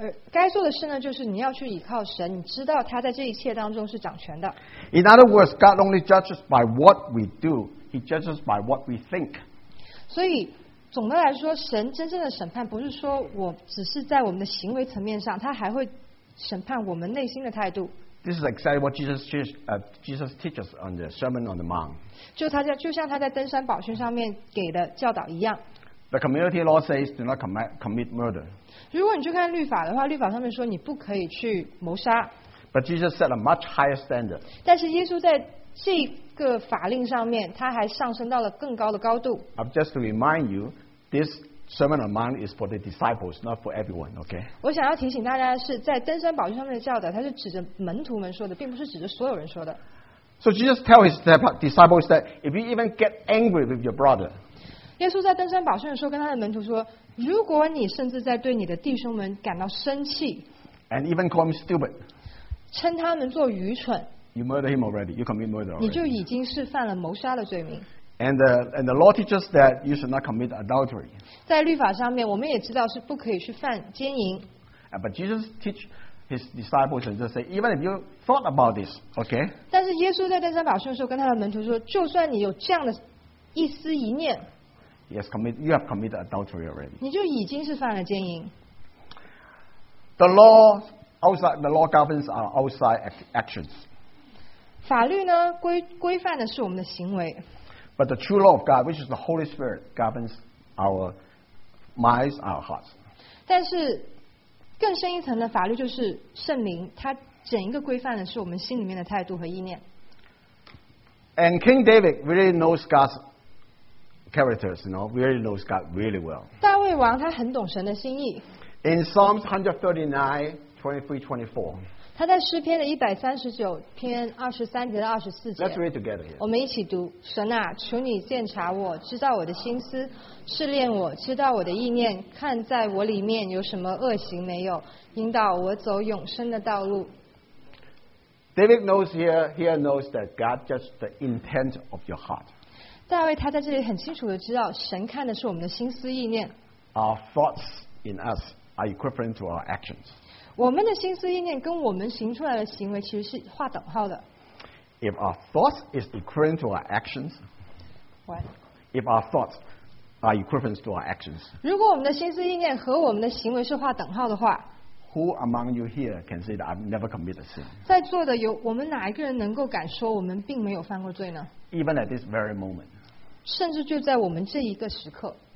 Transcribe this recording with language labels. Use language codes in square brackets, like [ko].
[zh] 该做的事呢，就是你要去依靠神，你知道他在这一切当中是掌权的。 [en] In other words, God only judges by what we do; He judges by what we think. [zh] 所以。总的来说，神真正的审判不是说我只是在我们的行为层面上，他还会审判我们内心的态度。 [en] This is exactly what Jesus teaches on the Sermon on the Mount. [zh] 就像他在登山宝训上面给的教导一样。 [en] The community law says do not commit murder. [zh] 如果你去看律法的话，律法上面说你不可以去谋杀。 [en] But Jesus set a much higher standard. [zh] 但是耶稣在这个法令上面，他还上升到了更高的高度。 [en] I'm just to remind you, this Sermon on Mount is for the disciples, not for everyone. Okay. [zh] 我想要提醒大家是在登山宝训上面的教导，它是指着门徒们说的，并不是指着所有人说的。 [en] So Jesus tells his disciples that if you even get angry with your brother. [zh] 耶稣在登山宝训的时候跟他的门徒说，如果你甚至在对你的弟兄们感到生气 [en] ，and even call him stupid， [zh] 称他们做愚蠢 [en] ，you murder him already, you commit murder already. [zh] 你就已经是犯了谋杀的罪名。 [en] And the law teaches that you should not commit adultery. [zh] 在律法上面，我们也知道是不可以去犯奸淫。 [en] But Jesus teach his disciples and just say, even if you thought about this, okay. [zh] 但是耶稣在登山宝训的时候跟他的门徒说，就算你有这样的一丝一念 [en] ，Yes, commit. You have committed adultery already. [zh] 你就已经是犯了奸淫。 [en] The law outside the law governs our outside actions. [zh] 法律呢规范的是我们的行为。 [en] But the true law of God, which is the Holy Spirit, governs our minds, our hearts. [zh] 但是更深一层的法律就是圣灵，它整一个规范的是我们心里面的态度和意念。 [en] And King David really knows God's characters, you know, really knows God really well. [zh] 大卫王他很懂神的心意。 [en] In Psalms 139:23-24. [zh] 他在诗篇的一百三十九篇二十三节到二十四节。 [en] Let's read together. [zh] 我们一起读。神啊，求你鉴察我，知道我的心思，试炼我，知道我的意念，看在我里面有什么恶行没有，引导我走永生的道路。 [en] David knows here knows that God judges the intent of your heart. [zh] 大卫他在这里很清楚的知道，神看的是我们的心思意念。 [en] Our thoughts in us are equivalent to our actions. [zh] 我们的心思意念跟我们行出来的行为其实是画等号的。 [en] If our thoughts is equivalent to our actions, what? If our thoughts are equivalent to our actions, [zh] 如果我们的心思意念和我们的行为是画等号的话 [en] ，Who among you here can say that I've never committed sin? [zh] 在座的有我们哪一个人能够敢说我们并没有犯过罪呢 [en] ？Even at this very moment, [zh] 甚至就在我们这一个时刻。